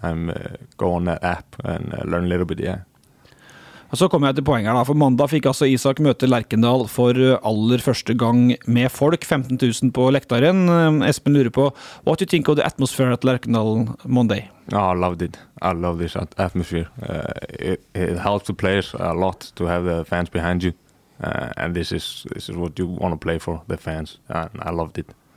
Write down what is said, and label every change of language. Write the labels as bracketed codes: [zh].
[en] I'm go on that app and learn a little bit. Yeah. [no] Og så kommer jeg til poenget da, for mandag fikk altså Isak møte Lerkendal for aller første gang med folk, 15,000 på lektaren. Espen lurer på, [en] what do you think of the atmosphere at Lerkendal Monday? Oh, I loved it. I love this atmosphere. It helps the players a lot to have the fans behind you. And this is what you want to play for, the fans. And I loved it.